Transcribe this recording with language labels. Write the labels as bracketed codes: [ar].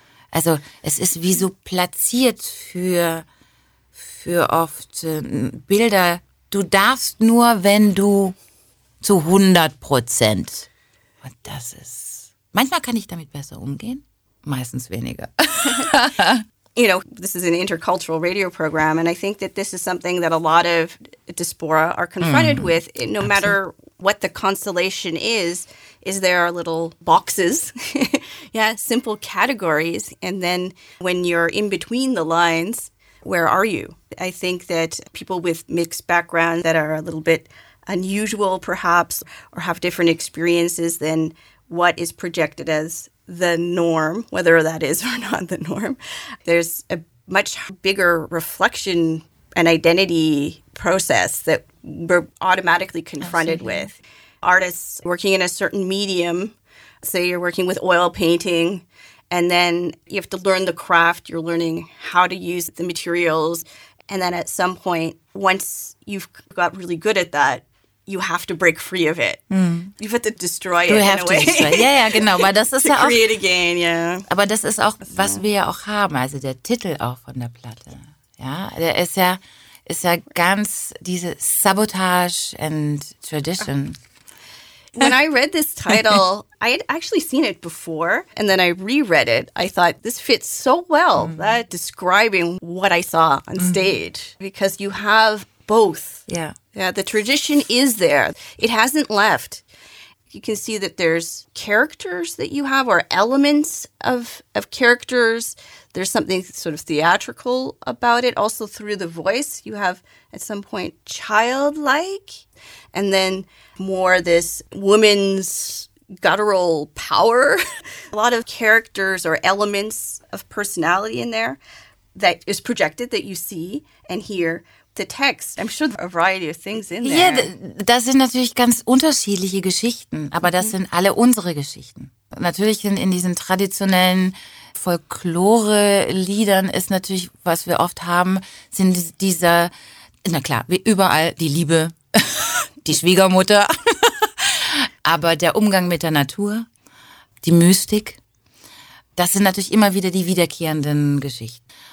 [de] Also, es ist wie so platziert für oft Bilder, du darfst nur, wenn du zu 100%. Und das ist, manchmal kann ich damit besser umgehen, meistens weniger. [en] You know, this is an intercultural radio program, and I think that this is something that a lot of diaspora are confronted with. No Absolutely. Matter what the constellation is there are little boxes, yeah, simple categories, and then when you're in between the lines, where are you? I think that people with mixed backgrounds that are a little bit unusual, perhaps, or have different experiences than what is projected as the norm, whether that is or not the norm, there's a much bigger reflection and identity process that we're automatically confronted with. Artists working in a certain medium, say you're working with oil painting, and then you have to learn the craft, you're learning how to use the materials. And then at some point, once you've got really good at that, you have to break free of it. Mm. You have to destroy it in a way. You have to destroy it. Yeah, [de] genau. Aber das ist [en] to [de] ja auch, [en] create again, yeah. [de] Aber das ist auch, was wir ja auch haben, also der Titel auch von der Platte. Ja, der ist ja ganz diese Sabotage and Tradition. [en] When I read this title, I had actually seen it before, and then I reread it. I thought, this fits so well, that describing what I saw on stage, because you have both. Yeah. Yeah, the tradition is there. It hasn't left. You can see that there's characters that you have or elements of characters. There's something sort of theatrical about it. Also through the voice, you have at some point childlike and then more this woman's guttural power. A lot of characters or elements of personality in there that is projected that you see and hear. The text, I'm sure there are a variety of things in there. [de] Ja, das sind natürlich ganz unterschiedliche Geschichten, aber das sind alle unsere Geschichten. Natürlich sind in diesen traditionellen Folklore-Liedern ist natürlich, was wir oft haben, sind diese, na klar, wie überall die Liebe, die Schwiegermutter, aber der Umgang mit der Natur, die Mystik, das sind natürlich immer wieder die wiederkehrenden Geschichten.